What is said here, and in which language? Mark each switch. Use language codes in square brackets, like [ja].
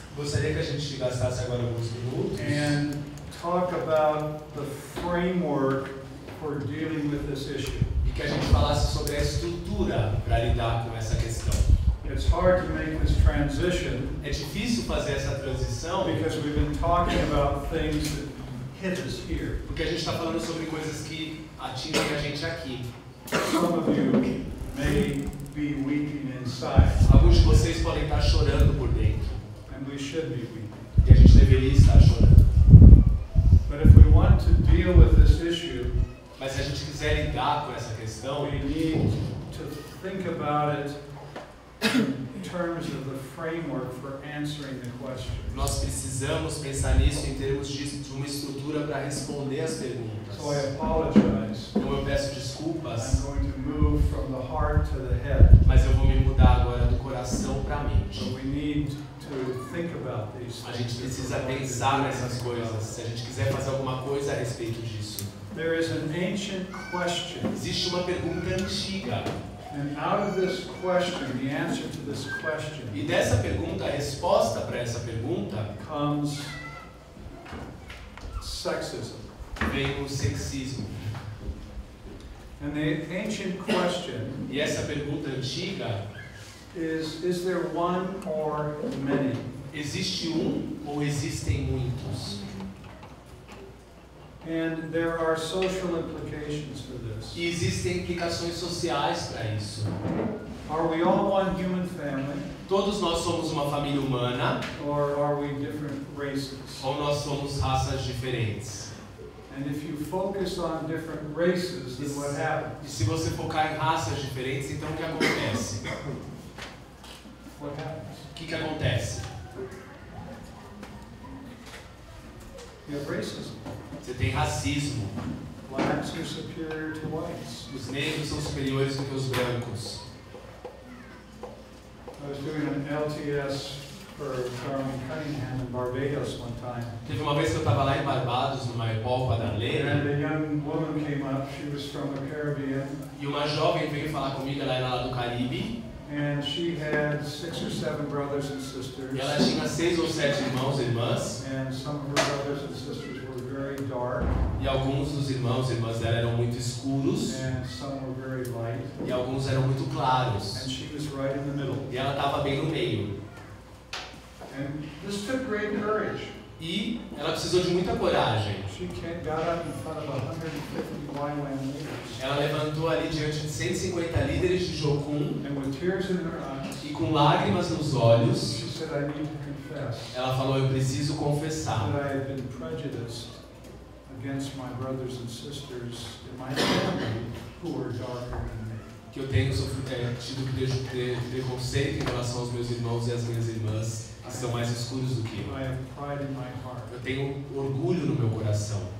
[pt] Gostaria que a gente gastasse agora alguns minutos. [en] And talk about the framework for dealing with this issue. [pt] E que a gente falasse sobre a estrutura para lidar com essa questão. [en] It's hard to make this transition. [pt] É difícil fazer essa transição. [en] Because we've been talking about things that hit us here. [pt] Porque a gente está falando sobre coisas que atingem a gente aqui. [en] Some of you may be weeping inside. [pt] Alguns de vocês podem estar chorando por dentro. [en] And we should be weeping. [pt] E a gente deveria estar chorando. [en] But if we want to deal with this issue, [pt] mas se a gente quiser lidar com essa questão, [en] we need to think about it in terms of the framework for answering the question. [pt] Nós precisamos pensar nisso em termos de uma estrutura para responder às perguntas. [en] So I apologize. [pt] Então eu peço desculpas. [en] I'm going to move from the heart to the head. [pt] Mas eu vou me mudar agora do coração para a mente. [en] So we need to think about these. [pt] A gente precisa pensar nessas coisas se a gente quiser fazer alguma coisa a respeito disso. [en] There is an ancient question. [pt] Existe uma pergunta antiga. [en] And out of this question, the answer to this question, [pt] e dessa pergunta, a resposta para essa pergunta, [en] comes sexism. [pt] Vem o sexismo. [en] And the ancient question, [pt] e essa pergunta antiga, [en] is there one or many? [pt] Existe um ou existem muitos? [en] And there are social implications for this. [pt] E existem implicações sociais para isso. [en] Are we all one human family? [pt] Todos nós somos uma família humana? [en] Or are we different races? [pt] Ou nós somos raças diferentes? [en] And if you focus on different races, then what happens? [pt] E se você focar em raças diferentes, então o que acontece? [en] What happens? [pt] O que acontece? [en] You have racism. [pt] Você tem racismo. [en] Blacks are superior to whites. [pt] Os negros são superiores do que os brancos. [en] I was doing an LTS for Charlie Cunningham in Barbados one time. [pt] Teve uma vez que eu estava lá em Barbados, numa epopa da Leira. [en] And a young woman came up. She was from the Caribbean. [pt] E uma jovem veio falar comigo, ela era lá do Caribe. [en] And she had six or seven brothers and sisters. [pt] E ela tinha seis ou sete irmãos e irmãs. [en] And some of her brothers and sisters. Very dark. [pt] E alguns dos irmãos e irmãs dela eram muito escuros. [en] And some were very light. [pt] E alguns eram muito claros. [en] And she was right in the middle. [pt] E ela estava bem no meio. [en] And this took great courage. [pt] E ela precisou de muita coragem. [en] She came, got up in front of 150 Wailan leaders. [pt] Ela levantou ali diante de 150 líderes de Jokun. [en] And with tears in her eyes, [pt] e com lágrimas nos olhos, [en] she said, I need to confess. [pt] Ela falou, eu preciso confessar. [en] That I have been prejudiced against my brothers and sisters in my family who were darker than me. [pt] Que eu tenho sofrido preconceito em relação aos meus irmãos e às minhas irmãs. Que são mais escuros do que eu. Eu tenho orgulho no meu coração.